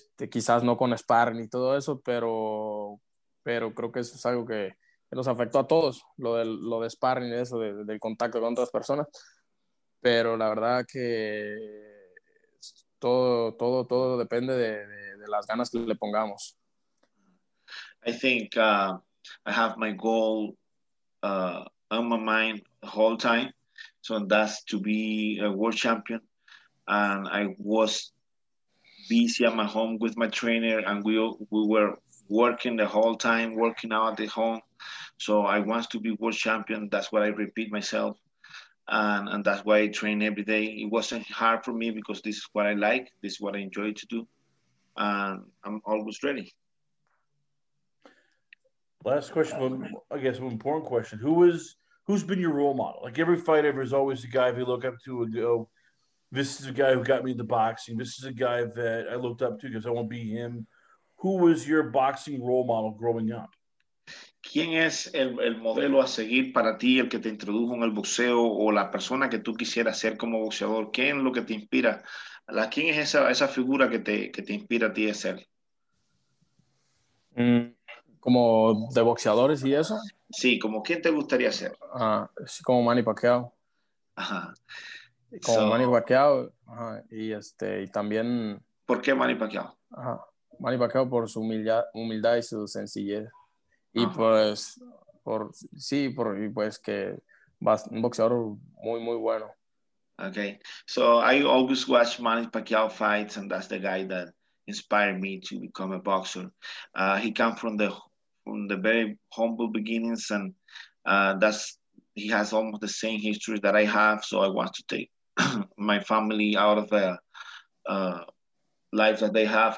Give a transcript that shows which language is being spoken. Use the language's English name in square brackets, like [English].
[Spanish] Quizás no con sparring y todo eso, pero creo que eso es algo que nos afectó a todos, lo de sparring y eso, del contacto con otras personas. Pero la verdad que todo depende de las ganas que le pongamos. [English] I think I have my goal on my mind the whole time, so that's to be a world champion, and I was busy at my home with my trainer, and we were working the whole time, working out at the home. So I want to be world champion. That's what I repeat myself. And that's why I train every day. It wasn't hard for me because this is what I like. This is what I enjoy to do. And I'm always ready. Last question, I guess an important question. Who's been your role model? Like every fight ever is always the guy we look up to and go, this is the guy who got me into boxing. This is a guy that I looked up to because I won't be him. Who was your boxing role model growing up? [Spanish] ¿Quién es el modelo a seguir para ti, el que te introdujo en el boxeo o la persona que tú quisieras ser como boxeador? ¿Qué es lo que te inspira? ¿Quién es esa figura que te inspira a ti a ser? ¿Como de boxeadores y eso? Sí, ¿como quién te gustaría ser? Como Manny Pacquiao. Ajá. Como Manny Pacquiao. Ajá. Y también... ¿Por qué Manny Pacquiao? Ajá. Manny Pacquiao por su humildad y su sencillez. Y ajá. Pues, por sí, por y pues que va un boxeador muy, muy bueno. [English] Okay, so I always watch Manny Pacquiao fights, and that's the guy that inspired me to become a boxer. He came from the very humble beginnings, and that's he has almost the same history that I have. So I want to take my family out of the life that they have.